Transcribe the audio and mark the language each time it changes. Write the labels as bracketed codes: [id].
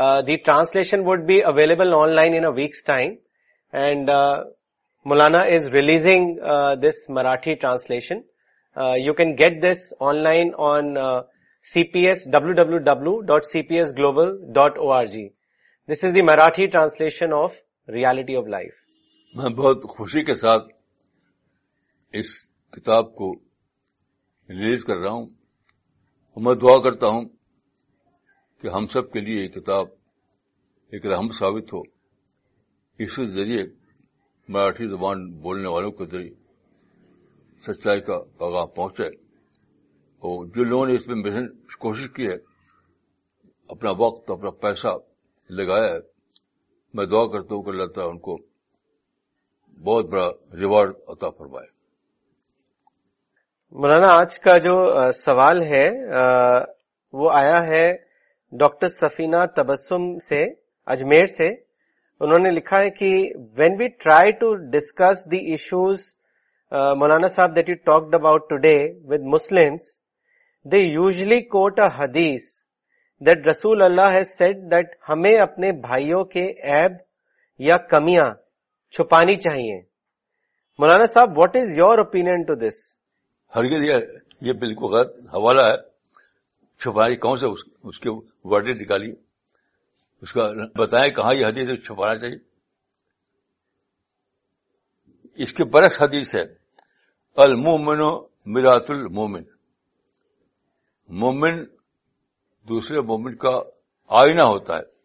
[en] The translation would be available online in a week's time, and Maulana is releasing this Marathi translation. You can get this online on www.cpsglobal.org. This is the Marathi translation of Reality of Life. [ur] میں بہت خوشی کے ساتھ اس کتاب کو release کر رہا ہوں. میں دعا کرتا ہوں کہ ہم سب کے لیے یہ کتاب ایک رحم ثابت ہو, اس کے ذریعے مراٹھی زبان بولنے والوں کے ذریعے سچائی کا پیغام پہنچے, اور جن لوگوں نے اس میں محنت کوشش کی ہے, اپنا وقت اپنا پیسہ لگایا ہے, میں دعا کرتا ہوں کہ اللہ تعالیٰ ان کو بہت بڑا ریوارڈ عطا فرمائے. مولانا آج کا جو سوال ہے وہ آیا ہے ڈاکٹر سفینہ تبسم سے اجمیر سے. انہوں نے لکھا ہے کہ [en] when we try to discuss the issues Maulana sahab that you talked about today with Muslims, they usually quote a hadith that Rasul Allah has said that [ur] ہمیں اپنے بھائیوں کے عیب یا کمیاں چھپانی چاہیے. [en] Maulana sahab, what is your opinion to this? [ur] ہرگز یہ بالکل غلط حوالہ ہے. چھپانی کون سے اس کے ورڈ نکالی, اس کا بتائیں کہاں یہ حدیث چھپانا چاہیے. اس کے برعکس حدیث ہے, [ar] المومن مرات المومن, [ur] مومن دوسرے مومن کا آئینہ ہوتا ہے.